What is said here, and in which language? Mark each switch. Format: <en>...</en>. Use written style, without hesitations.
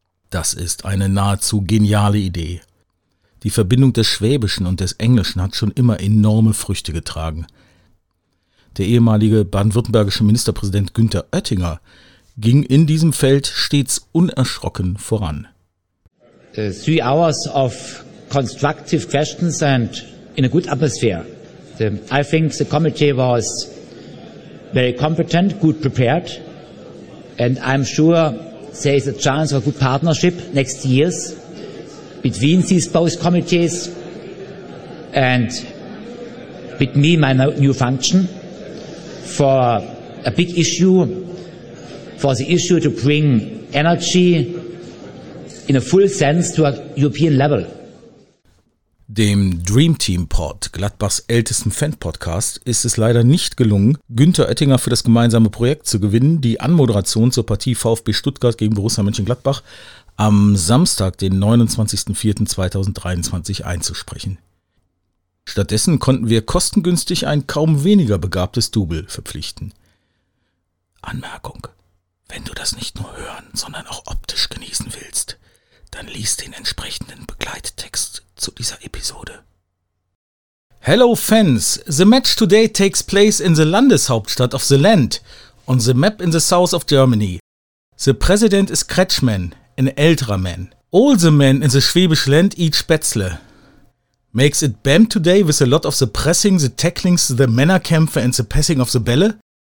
<de>Das ist eine nahezu geniale Idee. Die Verbindung des Schwäbischen und des Englischen hat schon immer enorme Früchte getragen. Der ehemalige baden-württembergische Ministerpräsident Günther Oettinger ging in diesem Feld stets unerschrocken voran.</de> <en>3 hours of constructive questions and in a good atmosphere. I think the committee was very competent, good prepared, and I'm sure there is a chance of a good partnership next years between these both committees and with me, my new function, for a big issue, for the issue to bring energy in a full sense to a European level.</en> <de>Dem Dream Team Pod, Gladbachs ältestem Fan-Podcast, ist es leider nicht gelungen, Günther Oettinger für das gemeinsame Projekt zu gewinnen, die Anmoderation zur Partie VfB Stuttgart gegen Borussia Mönchengladbach am Samstag, den 29.04.2023, einzusprechen. Stattdessen konnten wir kostengünstig ein kaum weniger begabtes Double verpflichten. Anmerkung: Wenn du das nicht nur hören, sondern auch optisch genießen willst, dann lies den entsprechenden Begleittext zu dieser Episode.</de> <en>Hello Fans, the match today takes place in the Landeshauptstadt of the Land, on the map in the south of Germany. The president is Kretschmann, an älterer man. All the men in the Schwäbisch Land eat Spätzle. Makes it bam today with a lot of the pressing, the tacklings, the Männerkämpfe and the passing of the Bälle?</en>